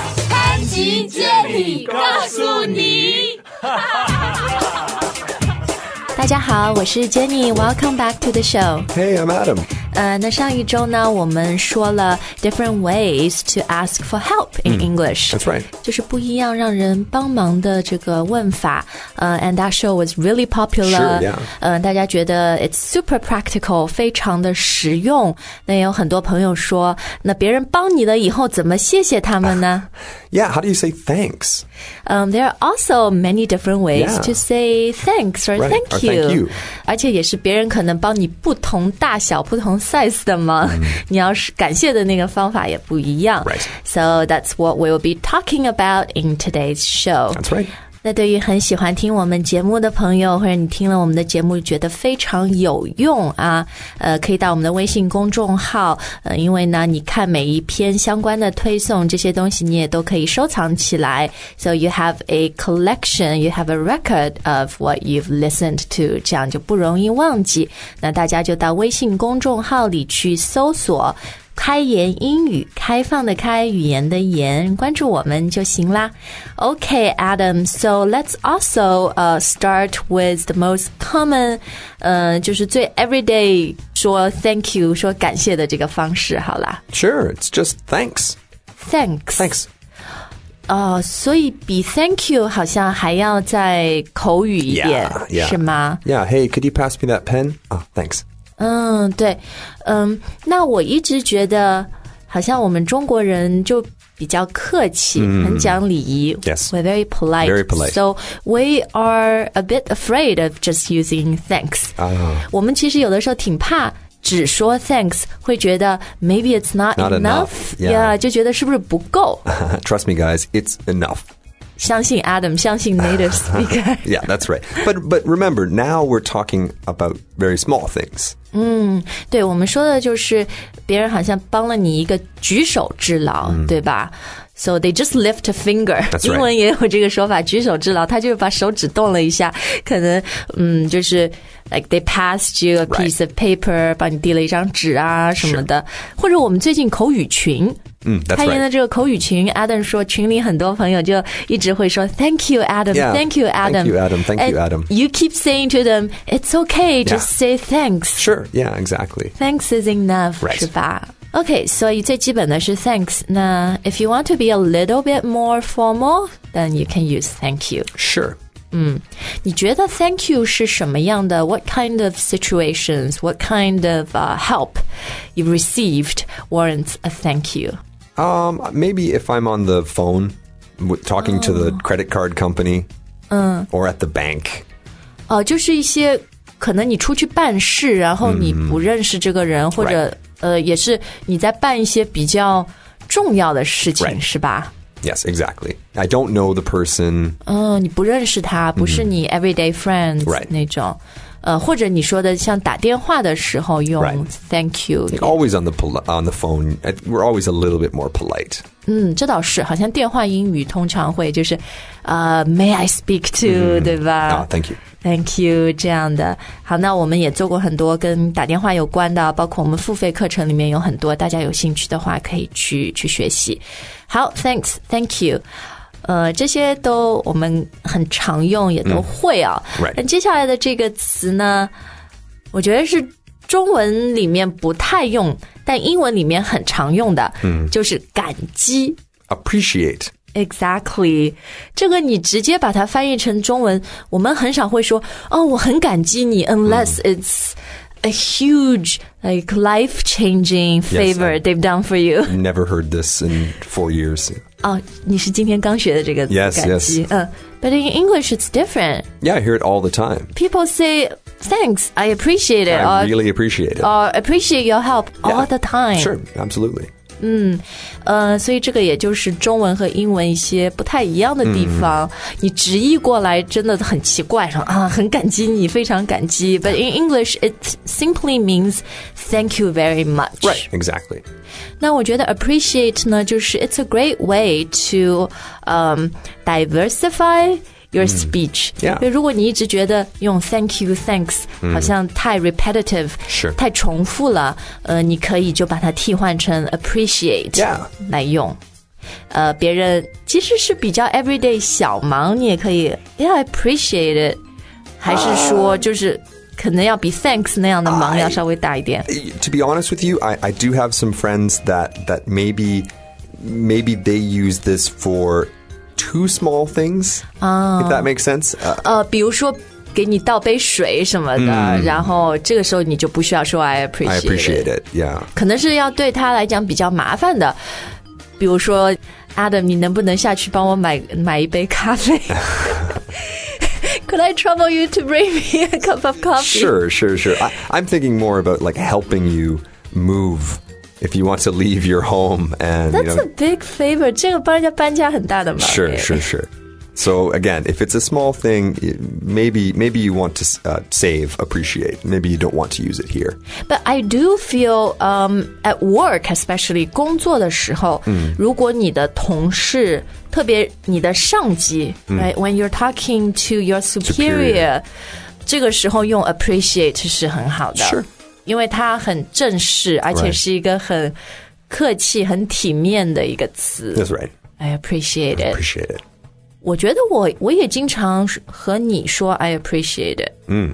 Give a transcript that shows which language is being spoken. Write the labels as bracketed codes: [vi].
[zh] 潘吉接你告诉你。大家好，我是 [en] Jenny， Welcome back to the show. Hey, I'm Adam. [zh] 那上一周呢，我们说了 [en] different ways to ask for help in English. That's right. [zh] 就是不一样让人帮忙的这个问法。 [en] And that show was really popular. Sure, yeah. [zh] 大家觉得 [en] it's super practical, [zh] 非常的实用。那有很多朋友说，那别人帮你了以后怎么谢谢他们呢？ [en] Yeah, how do you say thanks? There are also many different ways to say thanks or thank you. Thank you. [zh] 而且也是别人可能帮你不同大小、不同 size 的嘛。你要是感谢的那个方法也不一样。 [en] Right. So that's what we'll be talking about in today's show. That's right. [zh] 那对于很喜欢听我们节目的朋友，或者你听了我们的节目觉得非常有用啊，可以到我们的微信公众号，因为呢，你看每一篇相关的推送，这些东西你也都可以收藏起来。 [en] So you have a collection, you have a record of what you've listened to, [zh] 这样就不容易忘记。那大家就到微信公众号里去搜索开言英语，开放的开，语言的言，关注我们就行啦。 [en] Okay, Adam, so let's also start with the most common, [zh] 就是最 everyday 说 thank you, 说感谢的这个方式好啦。 [en] Sure, it's just thanks. Thanks. Thanks. [zh] 所以比 thank you 好像还要再口语一点 [en] yeah, yeah. [zh] 是吗 [en] Yeah, hey, could you pass me that pen? Oh, thanks. [zh] 对那我一直觉得好像我们中国人就比较客气、很讲礼仪 [en] Yes. We're very polite. Very polite. So we are a bit afraid of just using thanks. [zh] 我们其实有的时候挺怕只说 thanks, 会觉得 [en] maybe it's not enough. Yeah. [zh] Yeah, 就觉得是不是不够 [en] Trust me guys, it's enough. [zh] 相信 Adam, 相信 native speaker. [en] Yeah, that's right. But remember, now we're talking about very small things. [zh] 对,我们说的就是别人好像帮了你一个举手之劳,对吧? [en] So they just lift a finger. That's [zh] 英文、 [en] right. [zh] 也有这个说法,举手之劳,他就把手指动了一下,可能就是 [en] like they passed you a piece、 right. of paper, [zh] 帮你递了一张纸啊什么的。 [en] Sure. [zh] 或者我们最近口语群 [en] That's right. [zh] 开言的这个口语群 Adam 说群里很多朋友就一直会说 [en] Thank you, Adam, yeah, thank you, Adam. Thank you, Adam, thank you, Adam. And you keep saying to them, it's okay, just say thanks. Sure, yeah, exactly. Thanks is enough, right. [zh] 是吧 Okay, 所以最基本的是 thanks. [en] 那 if you want to be a little bit more formal, then you can use thank you. Sure. [zh] 你觉得 thank you 是什么样的 [en] What kind of situations, what kind of help you received warrants a thank you? Maybe if I'm on the phone talking to the credit card company or at the bank. [zh] 就是一些可能你出去办事然后你不认识这个人或者、 [en] right. [zh] 也是你在办一些比较重要的事情、 [en] right. [zh] 是吧 [en] Yes, exactly. I don't know the person. [zh] 你不认识他不是你 everyday friends、 [en] right. [zh] 那种。或者你说的像打电话的时候用、 [en] right. thank you. Always on the phone, we're always a little bit more polite. [zh] 这倒是好像电话英语通常会就是、 [en] may I speak to,、 [zh] 对吧、 [en] thank you. Thank you, [zh] 这样的。好那我们也做过很多跟打电话有关的包括我们付费课程里面有很多大家有兴趣的话可以 去学习。 [en] 好 thanks, thank you. [zh] 这些都我们很常用也都会啊、 [en] right. [zh] 但接下来的这个词呢我觉得是中文里面不太用但英文里面很常用的、就是感激 [en] Appreciate [zh] Exactly 这个你直接把它翻译成中文我们很少会说哦，我很感激你 [en] Unless、it's a huge like life changing favor yes, they've done for you Never heard this in 4 years 你是今天刚学的这个 Yes, yes. But in English, it's different. Yeah, I hear it all the time. People say, thanks, I appreciate it. I really appreciate it. Or appreciate your help all the time. Sure, absolutely. [zh] 所以这个也就是中文和英文一些不太一样的地方。你直译过来真的很奇怪，说啊，很感激你，非常感激。 [en] But in English, it simply means thank you very much. Right, exactly. [zh] 那我觉得 appreciate 呢就是 [en] it's a great way to diversify your speech. Yeah. [zh] 因为如果你一直觉得用 thank you, thanks, 好像太 repetitive, 是太重复了、你可以就把它替换成 appreciate、 [en] yeah. [zh] 来用。别人其实是比较 everyday 小忙你也可以 [en] yeah, I appreciate it. [zh] 还是说就是可能要比 thanks 那样的忙要稍微大一点。 [en] To be honest with you, I do have some friends that maybe they use this for two small things,、if that makes sense. [zh] 比如说给你倒杯水什么的、然后这个时候你就不需要说 [en] I appreciate it, yeah. [zh] 可能是要对他来讲比较麻烦的。比如说 Adam, 你能不能下去帮我买一杯咖啡 [en] Could I trouble you to bring me a cup of coffee? Sure. I'm thinking more about like helping you move if you want to leave your home. And, That's a big favor. [zh] 这个帮人家搬家很大的忙。 [en] Sure. So again, if it's a small thing, maybe you want to save, appreciate. Maybe you don't want to use it here. But I do feel at work, especially [zh] 工作的时候、如果你的同事特别你的上级、 [en] right, when you're talking to your superior, [zh] 这个时候用 appreciate 是很好的。 [en] Sure. [zh] 因为它很正式而且是一个很客气、很体面的一个词。 [en] That's right. I appreciate it. [zh] 我觉得我也经常和你说 [en] I appreciate it.、